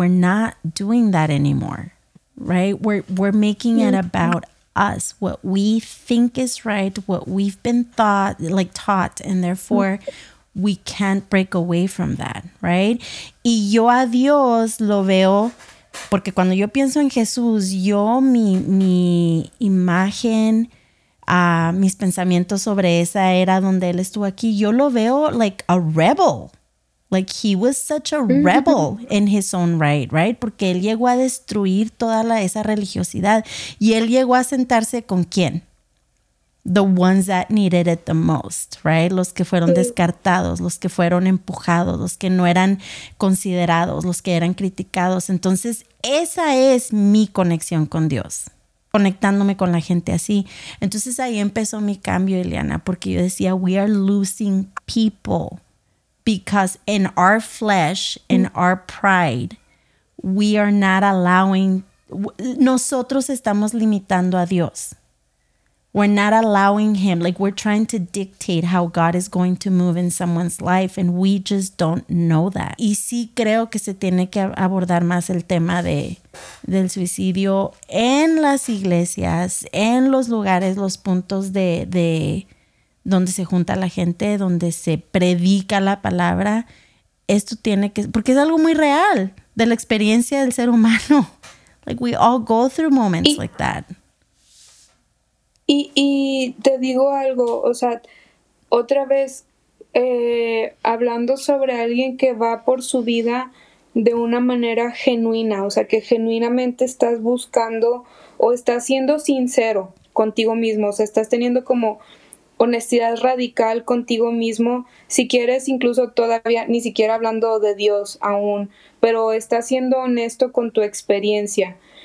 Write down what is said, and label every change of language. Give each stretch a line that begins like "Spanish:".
English: We're not doing that anymore, right? We're making it about us, what we think is right, what we've been thought, like taught, and therefore we can't break away from that, right?
Spanish: Y yo a Dios lo veo, porque cuando yo pienso en Jesús, yo mi imagen, mis pensamientos sobre esa era donde él estuvo aquí, yo lo veo
English: like a rebel. Like, he was such a rebel in his own right, right?
Spanish: Porque él llegó a destruir toda esa religiosidad. Y él llegó a sentarse con ¿quién?
English: The ones that needed it the most, right?
Spanish: Los que fueron descartados, los que fueron empujados, los que no eran considerados, los que eran criticados. Entonces, esa es mi conexión con Dios, conectándome con la gente así. Entonces, ahí empezó mi cambio, Iliana, porque yo decía,
English: we are losing people. Because in our flesh, in our pride, we are not allowing,
Spanish: nosotros estamos limitando a Dios.
English: We're not allowing him, like we're trying to dictate how God is going to move in someone's life and we just don't know that.
Spanish: Y sí creo que se tiene que abordar más el tema del suicidio en las iglesias, en los lugares, los puntos de donde se junta la gente, donde se predica la palabra. Esto tiene que, porque es algo muy real de la experiencia del ser humano.
English: Like, we all go through moments like that.
Spanish: Y te digo algo, o sea, otra vez, hablando sobre alguien que va por su vida de una manera genuina, o sea, que genuinamente estás buscando o estás siendo sincero contigo mismo, o sea, estás teniendo como honestidad radical contigo mismo, si quieres, incluso todavía ni siquiera hablando de Dios aún, pero estás siendo honesto con tu experiencia.